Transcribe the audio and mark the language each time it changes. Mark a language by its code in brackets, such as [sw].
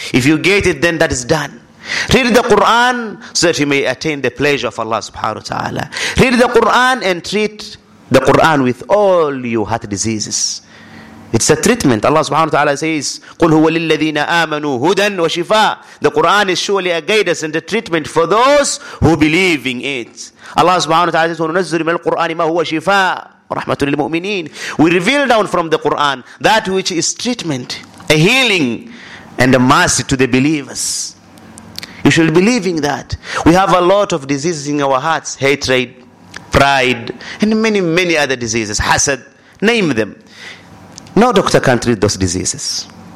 [en] If you get it, then that is done. Read the Quran so that you may attain the pleasure of Allah subhanahu wa ta'ala. Read the Quran and treat the Quran with all your heart diseases. It's a treatment. Allah subhanahu wa ta'ala says, [ar] قُلْ هُوَ لِلَّذِينَ آمَنُوا هُدًى وَشِفَاءٌ. [en] The Quran is surely a guidance and a treatment for those who believe in it. [ar] Allah subhanahu wa ta'ala says, وَنُنَزِّلُ مِنَ الْقُرْآنِ مَا هُوَ شِفَاءٌ رَحْمَةٌ لِلْمُؤْمِنِينَ. [en] We reveal down from the Quran that which is treatment, a healing and a mercy to the believers. You should believe in that. We have a lot of diseases in our hearts. Hatred, pride, and many, many other diseases. Hasad, name them. No doctor can treat those diseases.